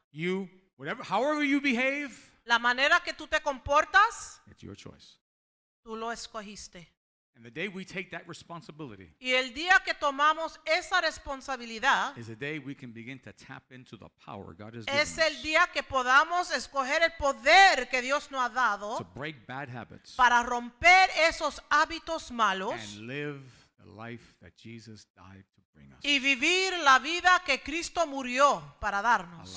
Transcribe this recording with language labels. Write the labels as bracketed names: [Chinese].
[English] You, whatever, however you behave. [Spanish] La manera que tú te comportas. [English] It's your choice. [Spanish] Tú lo escogiste. [English] And the day we take that responsibility, [Spanish] y el día que tomamos esa responsabilidad, [English] is the day we can begin to tap into the power God has given us. [Spanish] Es el día que podamos escoger el poder que Dios nos ha dado [English] to break bad habits, [Spanish] para romper esos hábitos malos, [English] and live the life that Jesus died to bring us. [Spanish] Y vivir la vida que Cristo murió para darnos.